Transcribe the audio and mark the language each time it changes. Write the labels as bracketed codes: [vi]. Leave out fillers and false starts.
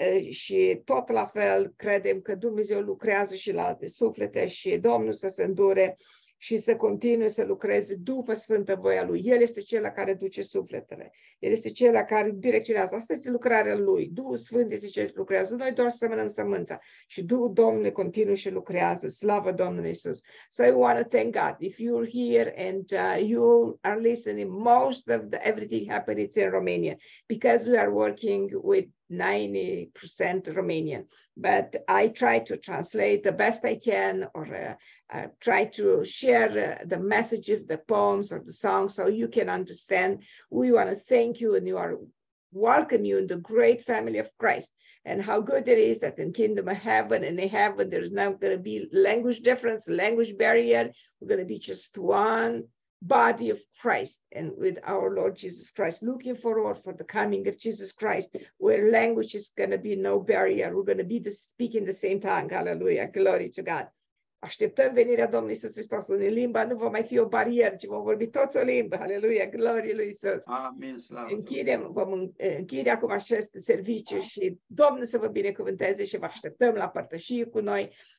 [ro] Și tot la fel credem că Dumnezeu lucrează și la alte suflete și Domnul să se îndure și să continue să lucreze după sfântă voia Lui. El este Cel care duce sufletele. El este Cel care direcționează. Asta este lucrarea Lui. Duhul Sfânt este Cel ce lucrează. Noi doar semănăm sămânța. Și Duhul Domnului continuă și lucrează. Slavă Domnului Iisus! [en] So I want to thank God. If you're here and you are listening, most of the, everything happens in Romania. Because we are working with 90% Romanian, but I try to translate the best I can, or try to share the messages, the poems or the songs, so you can understand. We want to thank you, and you are welcome you in the great family of Christ, and how good it is that in kingdom of heaven, and in heaven there's not going to be language difference, language barrier. We're going to be just one body of Christ, and with our Lord Jesus Christ, looking forward for the coming of Jesus Christ, where language is going to be no barrier. We're going to be speaking the same tongue. Hallelujah. Glory to God. [ro] Așteptăm venirea Domnului Iisus Hristos în limba. Nu va mai fi o barieră, ci vom vorbi toți o limbă. Hallelujah. Glory lui Iisus. Amin. Slavă. Închidem, vom închide acum acest serviciu și Domnul să vă binecuvânteze și vă așteptăm la părtășie cu noi.